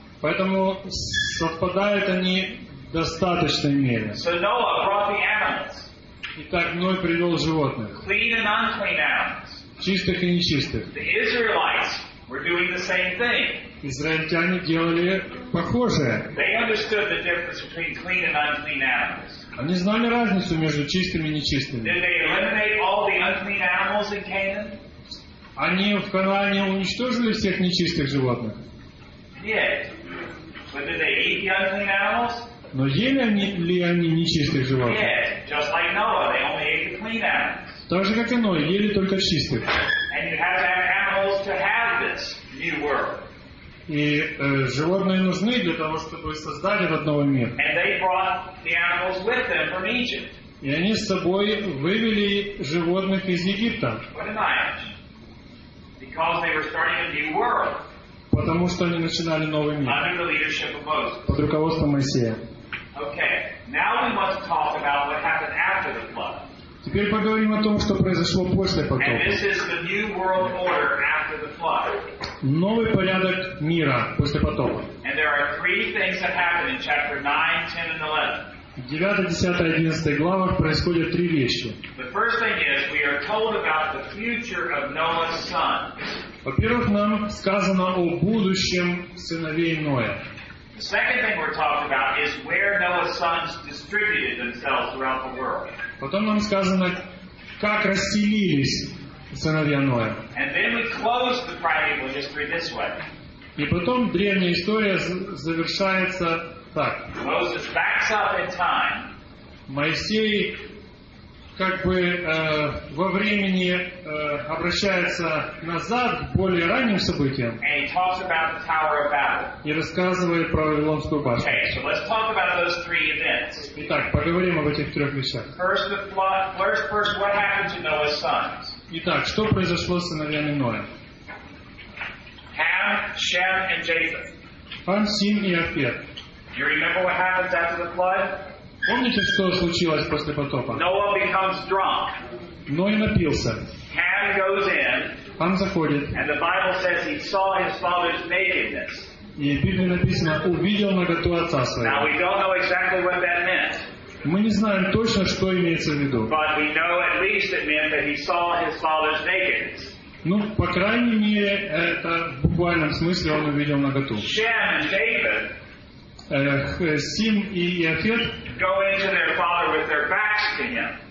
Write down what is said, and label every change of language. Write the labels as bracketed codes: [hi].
[ru] Поэтому совпадают они в достаточной мере. [en] So Noah brought the animals. [ru] Итак, Ной привел животных. [en] Clean and unclean animals. [ru] Чистых и нечистых. [en] The Israelites were doing the same thing. [ru] Израильтяне делали похожее. [en] They understood the difference between clean and unclean animals. [ru] Они знали разницу между чистыми и нечистыми. [en] Did they eliminate all the unclean animals in Canaan? [ru] Они в Канаане уничтожили всех нечистых животных? [en] Yes. But did they eat the unclean animals? [ru] Но ели они, ли они нечистых животных? [en] Yes. Just like Noah, they only ate the clean animals. [ru] Так же, как и Ной, ели только чистых. [en] And you have to have animals to have this new world. [ru] И животные нужны для того, чтобы создать этот новый мир. [en] And they brought the animals with them from Egypt. [ru] И они с собой вывели животных из Египта. [en] What am I? Because they were starting a new world. [ru] Потому что они начинали новый мир. [en] Under the leadership of Moses. [ru] Под руководством Моисея. [en] Okay. Now we must talk about what happened after the flood. [ru] Теперь поговорим о том, что произошло после потопа. [en] And this is the new world order after the flood. [ru] Новый порядок мира после потопа. [en] And there are three things that happen in chapter 9, 10, and 11. [ru] В 9, 10, 11 главах происходят три вещи. [en] The first thing is, we are told about the future of Noah's son. [ru] Во-первых, нам сказано о будущем сыновей Ноя. [en] The second thing we're talked about is where Noah's sons distributed themselves throughout the world. [ru] Потом нам сказано, как расселились сыновья Ноя. [en] And then we close the primeval history this way. [ru] И потом древняя история завершается так. [en] Moses backs up in time. [ru] Моисей как бы во времени обращается назад к более ранним событиям. [en] And he talks about the Tower of Babel. [ru] И рассказывает про Вавилонскую башню. [en] Okay, so let's talk about those three events. [ru] Итак, поговорим об этих трех вещах. [en] First, the flood. First, what happened to Noah's sons? [ru] Итак, что произошло с сыновьями Ноя? [en] Ham, Shem, and Japheth. Ham, Shem, and Japheth. You remember what happens after the flood? [ru] Помните, что случилось после потопа? [en] Noah becomes drunk. [ru] Ной напился. [en] Ham goes in. [ru] Ham заходит. [en] And the Bible says he saw his father's nakedness. [ru] И в Библии написано, увидел наготу отца своего. [en] Now we don't know exactly what that meant. [ru] Мы не знаем точно, что имеется в виду. [en] But we know at least it meant that he saw his father's nakedness. [ru] Ну, по крайней мере, это в буквальном смысле он увидел наготу. [en] Shem and Japheth. [ru] Сим и Иофет [en] go into their father with their backs to him.